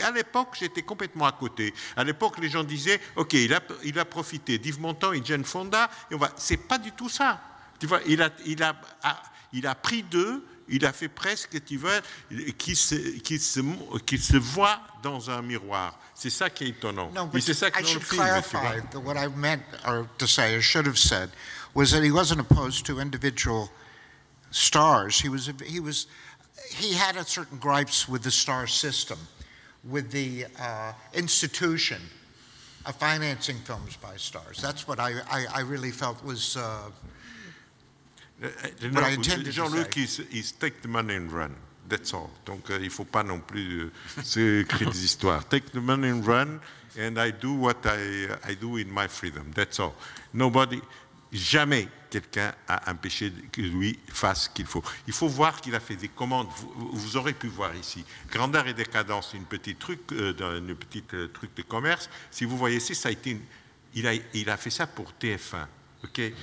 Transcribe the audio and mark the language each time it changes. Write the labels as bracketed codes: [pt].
[fr] À l'époque, j'étais complètement à côté. À l'époque, les gens disaient, ok, il a profité d'Yves Montand et Jane Fonda, et on va... C'est pas du tout ça. Tu vois, il a pris deux, il a fait presque, tu vois, qu'il se voit dans un miroir. C'est ça qui est étonnant. [en] No, but [fr] c'est ça [en] I should film, clarify that what I meant or to say or should have said was that he wasn't opposed to individual stars. He had a certain gripes with the star system, with the institution of financing films by stars. That's what I really felt was what I intended to say. Jean-Luc, he's take the money and run. That's all. [fr] Donc, il ne faut pas non plus se créer des histoires. [en] Take the money and run, and I do what I do in my freedom. That's all. Nobody, [fr] jamais quelqu'un a empêché que lui fasse ce qu'il faut. Il faut voir qu'il a fait des commandes. Vous aurez pu voir ici. Grandeur et décadence, une petite truc, une petite truc de commerce. Si vous voyez ici, ça a été. Il a fait ça pour TF1. Okay.